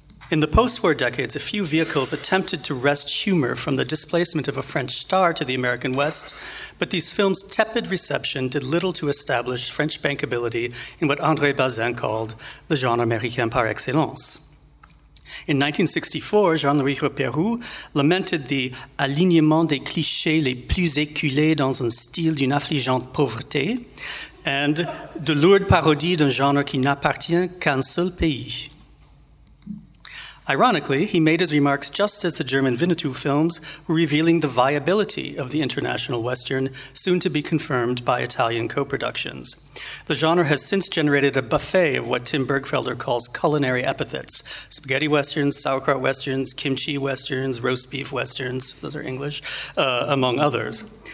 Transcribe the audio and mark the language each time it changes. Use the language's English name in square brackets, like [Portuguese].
[English] In the post-war decades, a few vehicles attempted to wrest humor from the displacement of a French star to the American West, but these films' tepid reception did little to establish French bankability in what André Bazin called [French] le genre américain par excellence. [English] In 1964, Jean-Louis Roperou lamented the [French] alignement des clichés les plus éculés dans un style d'une affligeante pauvreté and de lourdes parodies d'un genre qui n'appartient qu'un seul pays. [English] Ironically, he made his remarks just as the German Winnetou films were revealing the viability of the international Western, soon to be confirmed by Italian co-productions. The genre has since generated a buffet of what Tim Bergfelder calls culinary epithets. Spaghetti Westerns, sauerkraut Westerns, kimchi Westerns, roast beef Westerns, those are English, among others.